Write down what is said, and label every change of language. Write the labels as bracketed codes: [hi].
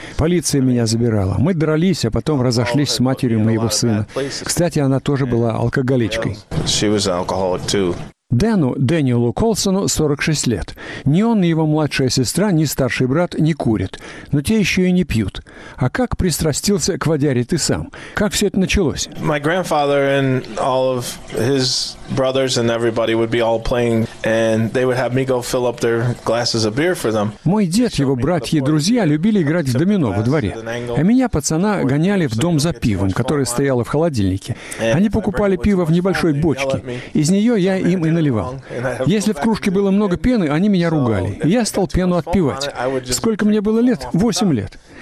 [ru] Полиция меня забирала. Мы дрались, а потом разошлись с матерью моего сына. Кстати, она тоже была алкоголичкой. Дэну, Дэниелу Колсону, 46 лет. Ни он, ни его младшая сестра, ни старший брат не курят. Но те еще и не пьют. А как пристрастился к водяре ты сам? Как все это началось? [en] My grandfather and all of his brothers and everybody would be all playing, and they would have me go fill up their glasses of beer for them. [ru] Мой дед, его братья и друзья любили играть в домино во дворе. А меня, пацана, гоняли в дом за пивом, которое стояло в холодильнике. Они покупали пиво в небольшой бочке. Из нее я им и наливал. Если в кружке было много пены, они меня ругали. И я стал пену отпивать. Сколько мне было лет? 8 лет.